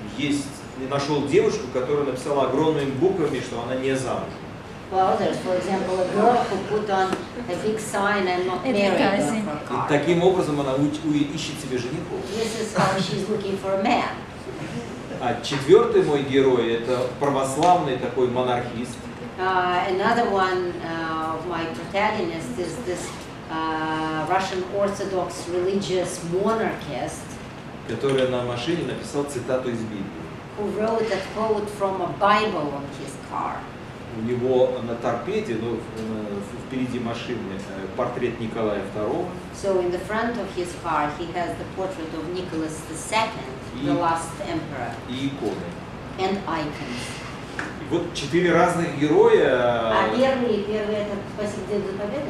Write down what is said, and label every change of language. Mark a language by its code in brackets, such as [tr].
[ru] Есть, нашел девушку, которая написала огромными буквами, что она не замужем. [en] Well, there's, for example, a girl who put on a big sign, I'm not married. [ru] Таким образом она ищет себе жениху. [en] This is how she's looking for a man. [ru] А четвертый мой герой – это православный такой монархист. [en] Another one of my protagonists is this Russian Orthodox religious monarchist, [ru] который на машине написал цитату из Библии. [en] Who wrote a quote from a Bible on his car. [ru] У него на торпеде, ну, впереди машины, портрет Николая II. [en] So in the front of his car he has the portrait of Nicholas II. The last emperor. [ru] И иконы. [en] And icons. [ru] И вот четыре разных героя. А первый это спасибо деду за победу.